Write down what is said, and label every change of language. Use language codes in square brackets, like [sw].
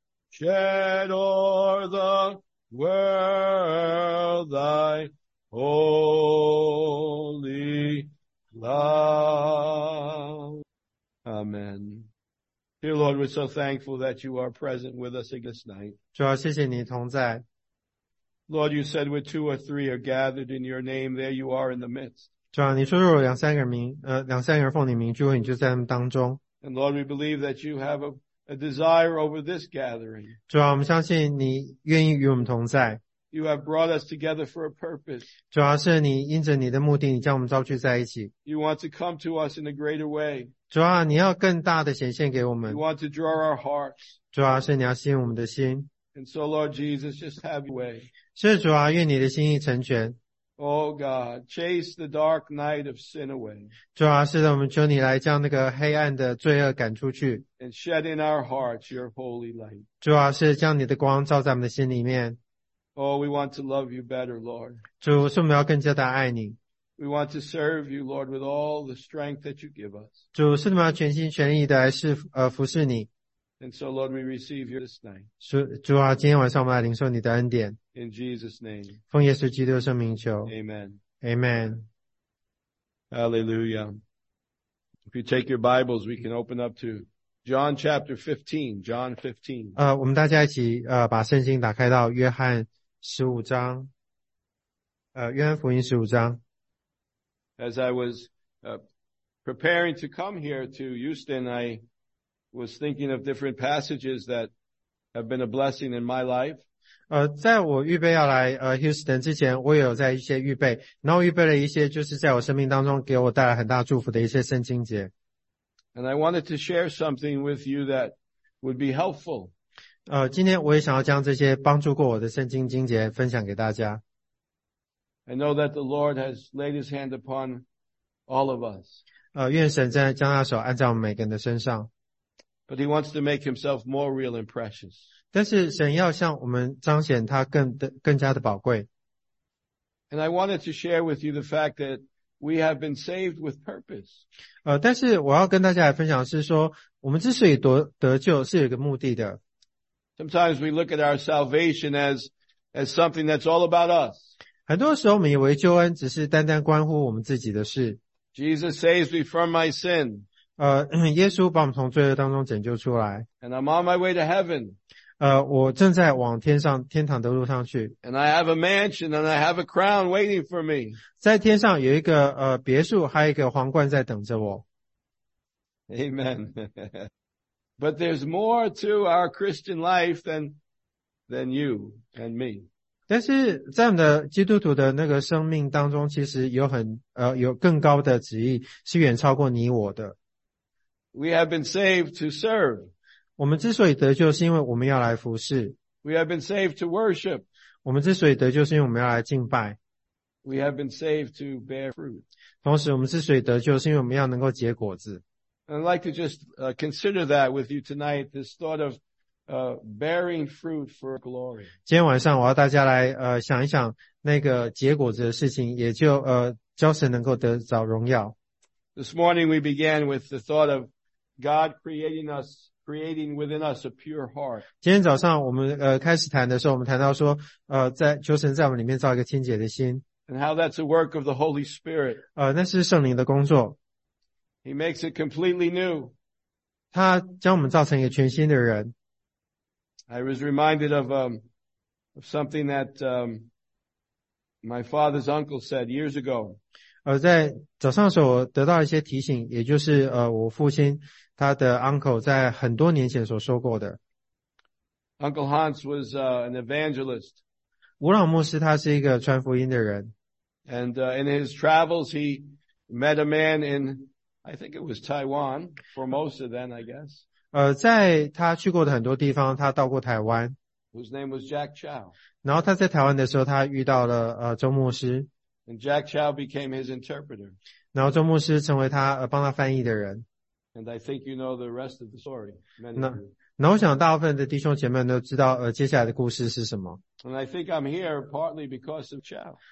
[en] Shed o'er the world thy holy love. Amen. Dear Lord, we're so thankful that you are present with us this night. [zh] 主啊，谢谢你同在。 [en] Lord, you said where two or three are gathered in your name, there you are in the midst. [zh] 主啊，你说若有两三个人奉你名聚会，你就在他们当中。 [en] And Lord, we believe that you have a desire over this gathering. [zh] 主啊，我们相信你愿意与我们同在。 [en] You have brought us together for a purpose. [zh] 主啊，是你因着你的目的，你将我们召聚在一起。 [en] You want to come to us in a greater way. [zh] 主啊，你要更大的显现给我们。 [en] You want to draw our hearts. [zh] 主啊，是你要吸引我们的心。 [en] And so, Lord Jesus, just have your way. [zh] 是主啊，愿你的心意成全。 [en] Oh God, chase the dark night of sin away. [zh] 主啊，是的，我们求你来将那个黑暗的罪恶赶出去。 [en] And shed in our hearts your holy light. [zh] 主啊，是将你的光照在我们的心里面。 [en] Oh, we want to love you better, Lord. [zh] 主，是我们要更加的爱你。 [en] We want to serve you, Lord, with all the strength that you give us. [zh] 主，是我们要全心全意的来侍服侍你。 [en] And so, Lord, we receive you this night. [zh] 主啊，今天晚上我们来领受你的恩典。 [en] In Jesus' name. [zh] 奉耶稣基督的圣名求。 [en] Amen. Amen. Hallelujah. If you take your Bibles, we can open up to John chapter 15. John 15. [zh] 我们大家一起把圣经打开到约翰十五章。约翰福音十五章。 [en] As I was preparing to come here to Houston, I was thinking of different passages that have been a blessing in my life. [zh] 在我预备要来Houston 之前，我也有在一些预备，然后预备了一些就是在我生命当中给我带来很大祝福的一些圣经节。 [en] And I wanted to share something with you that would be helpful. [zh] 今天我也想要将这些帮助过我的圣经经节分享给大家。 [en] I know that the Lord has laid His hand upon all of us. [zh] 愿神在将他手按在我们每个人的身上。 [en] But He wants to make Himself more real and precious. [zh] 但是神要向我们彰显他更加的宝贵。 [en] And I wanted to share with you the fact that we have been saved with purpose. [zh] 但是我要跟大家来分享的是说，我们之所以得救是有一个目的的。 [en] Sometimes we look at our salvation as something that's all about us. [zh] 很多时候我们以为救恩只是单单关乎我们自己的事。 [en] Jesus saves me from my sin. [zh] 耶稣把我们从罪恶当中拯救出来。 [en] And I'm on my way to heaven. [zh] 我正在往天堂的路上去。 [en] And I have a mansion and I have a crown waiting for me. [zh] 在天上有一个别墅，还有一个皇冠在等着我。 [en] Amen. But there's more to our Christian life than you and me. [zh] 但是在我们的基督徒的那个生命当中，其实有更高的旨意，是远超过你我的。 [en] We have been saved to serve. [zh] 我们之所以得救是因为我们要来服事。 [en] We have been saved to worship. [zh] 我们之所以得救是因为我们要来敬拜。 [en] We have been saved to bear fruit. [zh] 同时我们之所以得救是因为我们要能够结果子。 [en] I'd like to just consider that with you tonight, this thought of bearing fruit for glory. [zh] 今天晚上我要大家来想一想那个结果子的事情，也就叫神能够得着荣耀。 [en] This morning we began with the thought of God creating us, creating within us a pure heart. [zh] 今天早上我们开始谈的时候，我们谈到说在求神在我们里面造一个清洁的心。 [en] And how that's a work of the Holy Spirit. [zh] 那是圣灵的工作。 [en] He makes it completely new. [zh] 他将我们造成一个全新的人。 [en] I was reminded of something that my father's uncle said years ago. [zh] 在早上的时候我得到一些提醒，也就是我父亲他的 uncle 在很多年前所说过的。 [en] Uncle Hans was an evangelist. [zh] 吴老牧师他是一个传福音的人。 [en] And in his travels he met a man in, I think it was Taiwan, Formosa then I guess. [zh] 在他去过的很多地方，他到过台湾。 [en] His name was Jack Chow. [zh] 然后他在台湾的时候，他遇到了周牧师。 [en] And Jack Chow became his interpreter. [zh] 然后周牧师成为他帮他翻译的人。 [en] And I think you know the rest of the story. [zh] 那我想大部分的弟兄姐妹都知道接下来的故事是什么。 [en] And I think I'm here partly because of Chow.